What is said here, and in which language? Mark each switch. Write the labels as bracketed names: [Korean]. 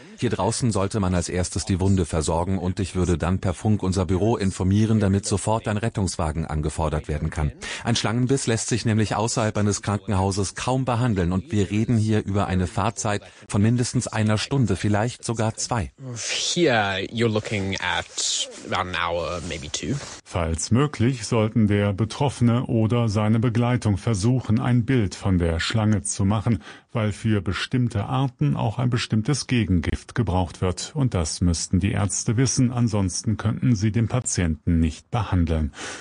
[German] Hier draußen sollte man als erstes die Wunde versorgen und ich würde dann per Funk unser Büro informieren, damit sofort ein Rettungswagen angefordert werden kann. Ein Schlangenbiss lässt sich nämlich außerhalb eines Krankenhauses kaum behandeln und wir reden hier über eine Fahrzeit von mindestens einer Stunde, vielleicht sogar zwei. [English] Here you're looking at about an hour, maybe two. [German] Falls möglich, sollten der Betroffene oder seine Begleitung versuchen, ein Bild von der Schlange zu machen, weil für bestimmte Arten auch ein bestimmtes Gegengift gebraucht wird. Und das müssten die Ärzte wissen, ansonsten könnten sie den Patienten nicht behandeln.